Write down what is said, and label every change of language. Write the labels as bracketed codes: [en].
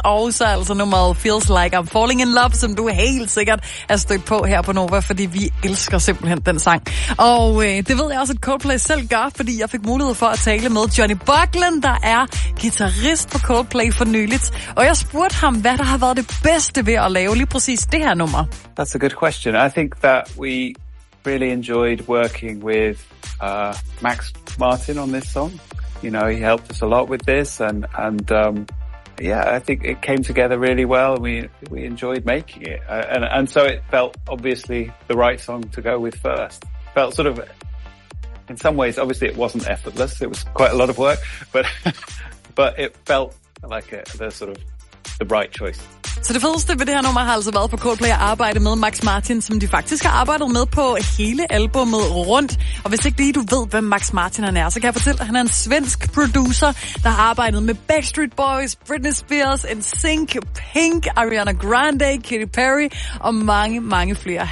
[da] Og så altså nummeret Feels Like I'm Falling In Love, som du helt sikkert er stødt på her på Nova, fordi vi elsker simpelthen den sang. Og det ved jeg også, at Coldplay selv gør, fordi jeg fik mulighed for at tale med Johnny Buckland, der er guitarist på Coldplay for nyligt. Og jeg spurgte ham, hvad der har været det bedste ved at lave lige præcis det her nummer. [en] That's a good question. I think that we really enjoyed working with Max Martin on this song. You know, he helped us a lot with this, and yeah, I think it came together really well, and we enjoyed making it, and so it felt obviously the right song to go with first. Felt sort of, in some ways, obviously it wasn't effortless. It was quite a lot of work, but it felt like the right choice. [da] Så det fedeste ved det her nummer har altså været på Coldplay at arbejde med Max Martin, som de faktisk har arbejdet med på hele albumet rundt. Og hvis ikke lige du ved, hvem Max Martin han er, så kan jeg fortælle, at han er en svensk producer, der har arbejdet med Backstreet Boys, Britney Spears, NSYNC, Pink, Ariana Grande, Katy Perry og mange, mange flere.